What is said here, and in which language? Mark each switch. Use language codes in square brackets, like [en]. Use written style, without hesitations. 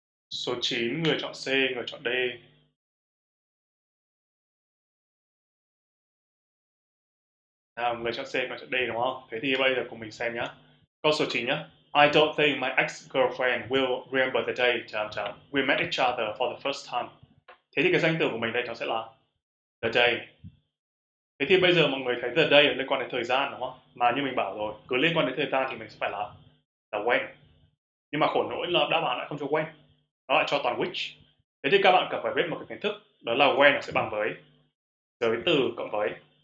[vi] Số 9, người chọn C, người chọn D. À, người chọn C, người chọn D đúng không? Thế thì bây giờ cùng mình xem nhé. Câu số 9 nhé. [en] I don't think my ex-girlfriend will remember the day [vi] chấm chấm [en] we met each other for the first time. [vi] Thế thì cái danh từ của mình đây nó sẽ là the day. Thế thì bây giờ mọi người thấy the day liên quan đến thời gian đúng không? Mà như mình bảo rồi, cứ liên quan đến thời gian thì mình sẽ phải là when. Nhưng mà khổ nỗi là đáp án lại không cho when. Nó lại cho toàn which. Thế thì các bạn cần phải biết một cái kiến thức. Đó là when nó sẽ bằng với giới từ cộng với